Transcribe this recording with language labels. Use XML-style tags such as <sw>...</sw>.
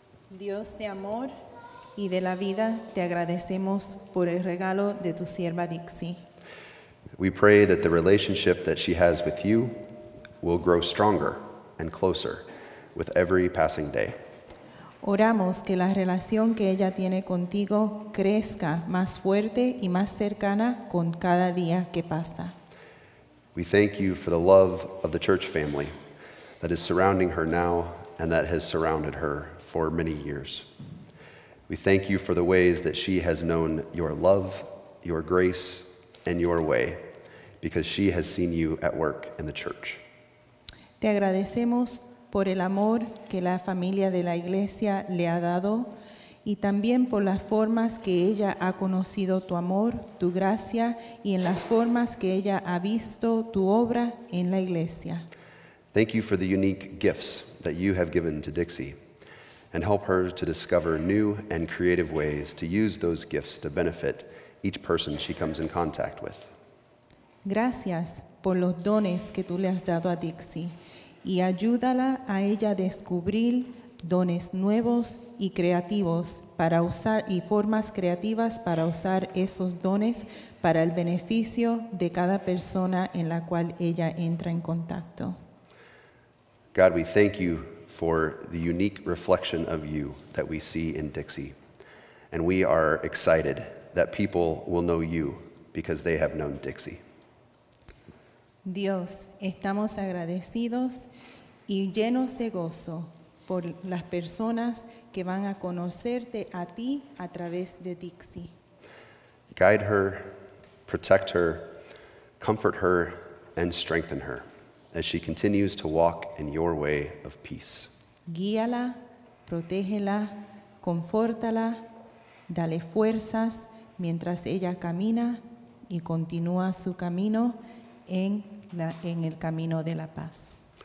<es>Dios de amor y de la vida, te agradecemos por el regalo de tu sierva, Dixie.</es> <en>We pray that the relationship that she has with you will grow stronger and closer with every passing day.</en> <es>Oramos que la relación que ella tiene contigo crezca más fuerte y más cercana con cada día que pasa.</es> <en>We thank you for the love of the church family that is surrounding her now and that has surrounded her for many years. We thank you for the ways that she has known your love, your grace, and your way because she has seen you at work in the church.</en> <es>Te agradecemos por el amor que la familia de la iglesia le ha dado y también por las formas que ella ha conocido tu amor, tu gracia y en las formas que ella ha visto tu obra en la iglesia.</es> <en>Thank you for the unique gifts that you have given to Dixie and help her to discover new and creative ways to use those gifts to benefit each person she comes in contact with.</en> <es>Gracias por los dones que tú le has dado a Dixie. Y ayúdala a ella a descubrir dones nuevos y creativos para usar y formas creativas para usar esos dones para el beneficio de cada persona en la cual ella entra en contacto.</es> <en>God, we thank you for the unique reflection of you that we see in Dixie. And we are excited that people will know you because they have known Dixie.</en> <es>Dios, estamos agradecidos y llenos de gozo por las personas que van a conocerte a ti a través de Dixie.</es> <en>Guide her, protect her, comfort her, and strengthen her as she continues to walk in your way of peace.</en> <es>Guíala, protégela, confórtala, dale fuerzas mientras ella camina y continúa su camino en en el camino de la paz.</es>